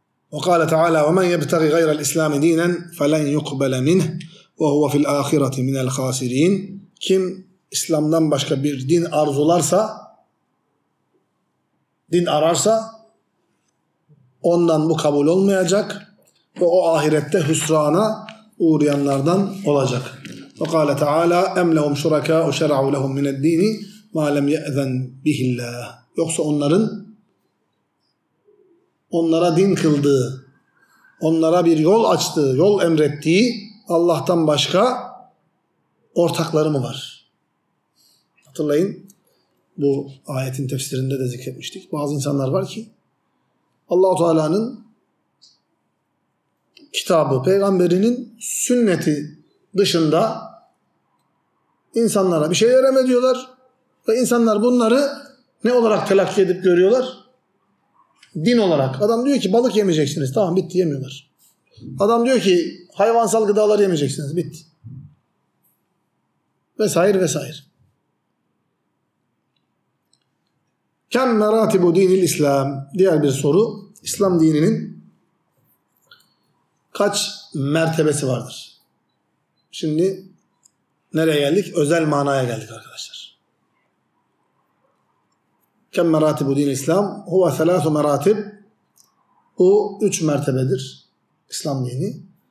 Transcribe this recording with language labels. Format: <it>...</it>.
<ar>وقال تعالى ومن يبتغي غير الإسلام دينا فلن يقبل منه وهو في الآخرة من الخاسرين.</ar> <tr>Kim İslam'dan başka bir din arzularsa, din ararsa ondan bu kabul olmayacak ve o ahirette hüsrana uğrayanlardan olacak.</tr> <ar>وقال تعالى أم لهم شركاء شرعوا لهم من الدين ما لم يأذن به الله.</ar> <tr>Yoksa onların onlara din kıldığı, onlara bir yol açtığı, yol emrettiği Allah'tan başka ortakları mı var? Hatırlayın, bu ayetin tefsirinde de zikretmiştik. Bazı insanlar var ki Allah-u Teala'nın kitabı, peygamberinin sünneti dışında insanlara bir şey veremediyorlar ve insanlar bunları ne olarak telakki edip görüyorlar? Din olarak. Adam diyor ki balık yemeyeceksiniz. Tamam, bitti, yemiyorlar. Adam diyor ki hayvansal gıdalar yemeyeceksiniz. Bitti. Vesair vesair.</tr> <ar>Kem meratibu dinil</ar> <tr>İslam. Diğer bir soru. İslam dininin kaç mertebesi vardır? Şimdi nereye geldik? Özel manaya geldik arkadaşlar.</tr> <ar>كم مراتب دين الإسلام هو ثلاث مراتب هو</ar> <tr>3 مرتبedir İslam dini.</tr>